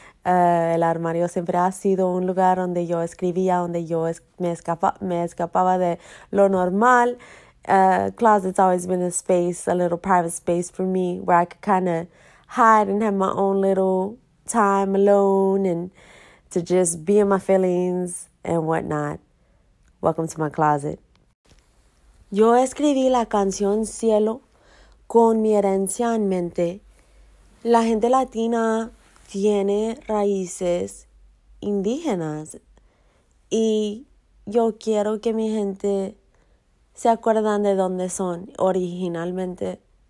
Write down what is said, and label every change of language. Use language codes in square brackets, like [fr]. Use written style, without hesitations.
[es] El armario siempre ha sido un lugar donde yo escribía, donde yo me escapaba de lo normal. [en] Closet's always been a space, a little private space for me where I could kind of hide and have my own little time alone and to just be in my feelings and whatnot. Welcome to my closet. [es] Yo escribí la canción Cielo con mi herencia en mente. La gente latina tiene raíces indígenas y yo quiero que mi gente se acuerdan de dónde son originalmente.